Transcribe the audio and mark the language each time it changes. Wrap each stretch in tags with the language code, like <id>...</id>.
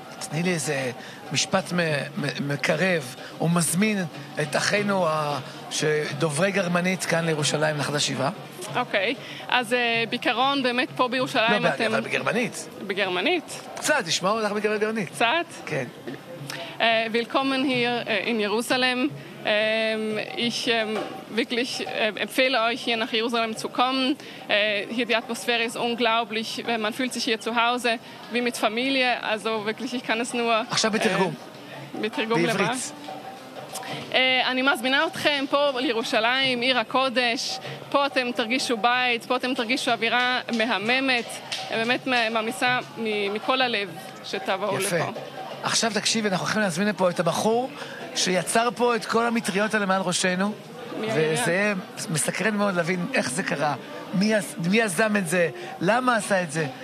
<he>תני לי איזה משפט מקרב ומזמין את אחינו שדוברי גרמנית כאן לירושלים נחת השיבה. אוקיי, אז בעיקרון באמת פה בירושלים אתם... לא, אבל בגרמנית. בגרמנית? קצת, תשמעו אותך בגרמנית גרמנית. קצת? כן.</he> <de>Willkommen hier in Jerusalem. Ich wirklich empfehle euch, hier nach Jerusalem zu kommen. Hier die Atmosphäre ist unglaublich. Man fühlt sich hier zu Hause, wie mit Familie. Also wirklich, ich kann es nur...</de> <he>עכשיו בתרגום. בתרגום לבא. אני מזמינה אתכם פה לירושלים, עיר הקודש. פה אתם תרגישו בית, פה אתם תרגישו אווירה מהממת. באמת ממיסה מכל הלב שתבואו לפה. יפה. עכשיו תקשיב, אנחנו הולכים להזמין לפה את הבחור. שיצר פה את כל המטריות האלה מעל ראשנו, וזה מסקרן מאוד להבין איך זה קרה, מי יזם את זה, למה עשה את זה.</he>